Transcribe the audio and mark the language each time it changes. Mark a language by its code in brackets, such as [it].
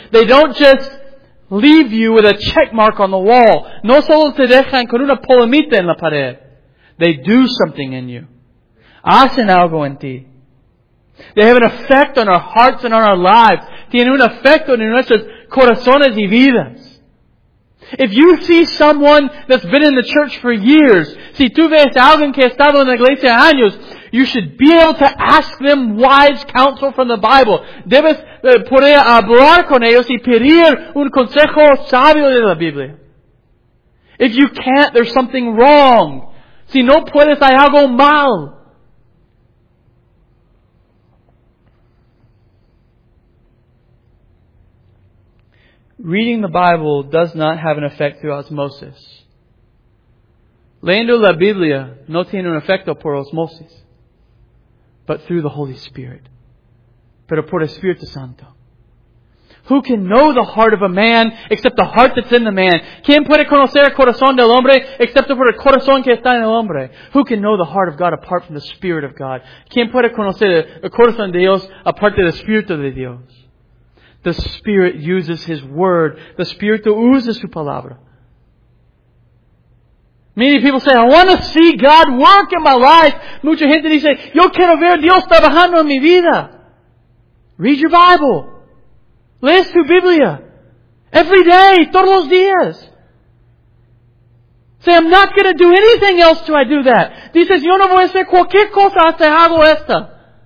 [en] They don't just leave you with a check mark on the wall. [es] No solo te dejan con una palomita en la pared. [en] They do something in you. [es] Hacen algo en ti. [en] They have an effect on our hearts and on our lives. [es] Tienen un efecto en nuestros corazones y vidas. [en] If you see someone that's been in the church for years, [es] si tú ves a alguien que ha estado en la iglesia años, [en] you should be able to ask them wise counsel from the Bible. [es] Debes poder hablar con ellos y pedir un consejo sabio de la Biblia. [en] If you can't, there's something wrong. [es] Si no puedes, hay algo mal. [en] Reading the Bible does not have an effect through osmosis. [es] Leyendo la Biblia no tiene un efecto por osmosis, [en] but through the Holy Spirit. [es] Pero por el Espíritu Santo. [en] Who can know the heart of a man except the heart that's in the man? [es] ¿Quién puede conocer el corazón del hombre excepto por el corazón que está en el hombre? [en] Who can know the heart of God apart from the Spirit of God? [es] ¿Quién puede conocer el corazón de Dios aparte del Espíritu de Dios? [en] The Spirit uses His Word. The Spirit uses [es] Su Palabra. [en] Many people say, I want to see God work in my life. [es] Mucha gente dice, yo quiero ver Dios trabajando en mi vida. [en] Read your Bible. [es] Lees tu Biblia. [en] Every day, [es] todos los días. [en] Say, I'm not going to do anything else till I do that. [es] Dices, yo no voy a hacer cualquier cosa hasta hago esta.